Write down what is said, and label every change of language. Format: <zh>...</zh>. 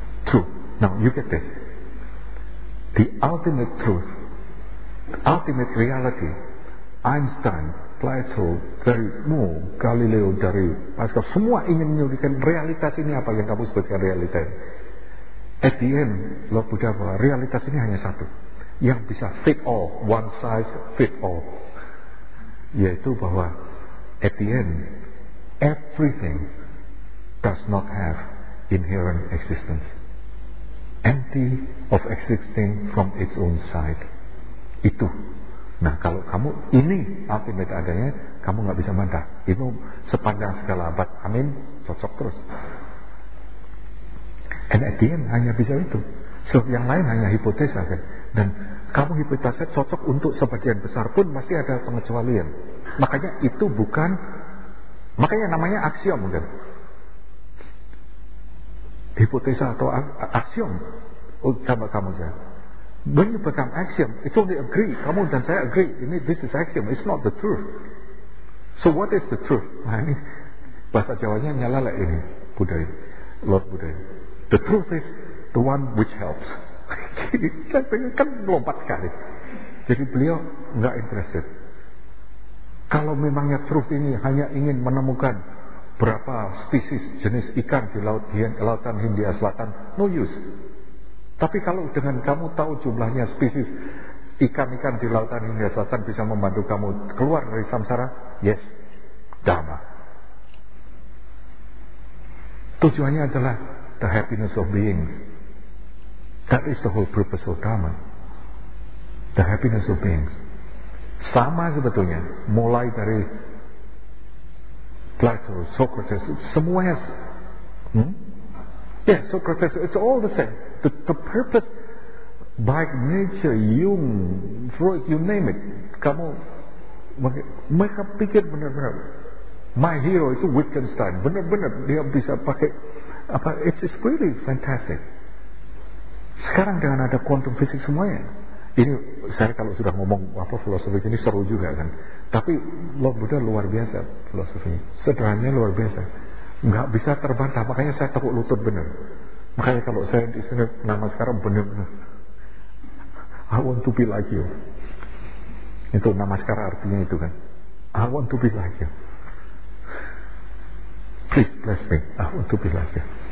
<en>True. Now you get this. The ultimate truth, the ultimate reality,</en> <id>Einstein, Plato, dari Moore, Galileo, dari Pascal, semua ingin menyebutkan realitas ini apa yang kamu sebutkan realitas.</id> <en>At the end, Lord Buddha</en> <id>bahwa realitas ini hanya satu, yang bisa</id> <en>fit all, one size fit all.</en> <id>Yaitu bahwa</id> <en>at the end, everything does not have inherent existence, empty of existing from its own side.</en> <id>Itu. Nah, kalau kamu ini ultimate adanya, kamu enggak bisa mantah. Itu sepanjang segala abad. Amin. Cocok terus.</id> <en>And at the end,</en> <id>hanya bisa itu. So, yang lain hanya hipotesa kan. Dan kamu hipotesa cocok untuk sebagian besar pun masih ada pengecualian. Makanya itu bukan, makanya namanya aksiom kan. Hipotesa atau aksiom, sama kamu saja.</id> <en>When you become axiom, it's only agree.</en> <id>Kamu dan saya agree. Ini</id> <en>this is axiom. It's not the truth. So what is the truth?</en> <id>Nah, ini bahasa Jawanya nyalalek ini, budaya, Lord budaya.</id> <en>The truth is the one which helps.</en> <id>Saya pengen kan lompat sekali. Jadi beliau enggak interested. Kalau memangnya truth ini hanya ingin menemukan berapa spesies jenis ikan di lautan Hindia Selatan,</id> <en>no use.</en> <id>Tapi kalau dengan kamu tahu jumlahnya spesies ikan-ikan di lautan Hindia Selatan bisa membantu kamu keluar dari samsara,</id> <en>yes,</en> <id>dharma. Tujuannya adalah</id> <en>the happiness of beings. That is the whole purpose of Dharma. The happiness of beings.</en> <id>Sama sebetulnya, mulai dari Plato, Socrates, semuanya.</id> <en>Yeah, Socrates, it's all the same. The purpose, by nature, Jung, Freud, you name it,</en> <id>kamu, mereka pikir benar-benar.</id> <en>My hero</en> <id>itu Wittgenstein, benar-benar dia bisa pakai apa?</id> <en>It's really fantastic.</en> <id>Sekarang dengan ada quantum fisik semuanya, ini saya kalau sudah ngomong apa filosofi ini seru juga kan. Tapi Lord Buddha luar biasa filosofinya, sederhananya luar biasa. Enggak bisa terbantah, makanya saya tepuk lutut benar. Makanya kalau saya di sini nama sekarang benar-benar.</id> <en>I want to be like you.</en> <id>Itu nama sekarang artinya itu kan.</id> <en>I want to be like you. Please bless me. I want to be like you.</en>